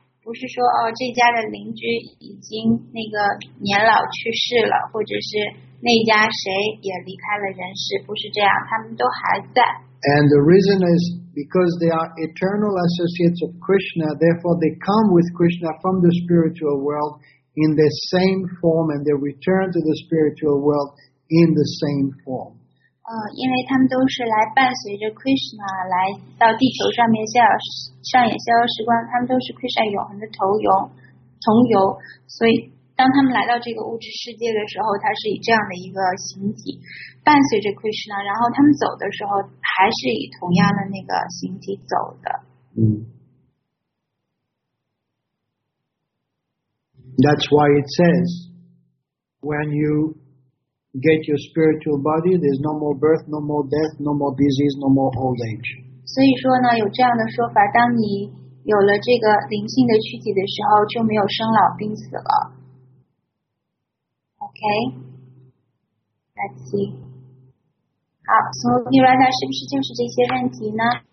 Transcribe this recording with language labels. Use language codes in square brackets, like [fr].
[zh] 不是说哦，这家的邻居已经那个年老去世了，或者是那家谁也离开了人世，不是这样，他们都还在。 [en] And the reason is because they are eternal associates of Krishna, therefore they come with Krishna from the spiritual world in the same form, and they return to the spiritual world in the same form. [zh] 因为他们都是来伴随着 Krishna 来到地球上面逍遥上演逍遥时光，他们都是 Krishna 永恒的同游，所以当他们来到这个物质世界的时候，他是以这样的一个形体伴随着 Krishna， 然后他们走的时候还是以同样的那个形体走的。 [en] That's why it says when youget your spiritual body, there's no more birth, no more death, no more disease, no more old age. [zh] 所以说呢，有这样的说法，当你有了这个灵性的躯体的时候，就没有生老病死了。 [en] Okay? Let's see. [zh] 好，从地瑞达是不是就是这些问题呢？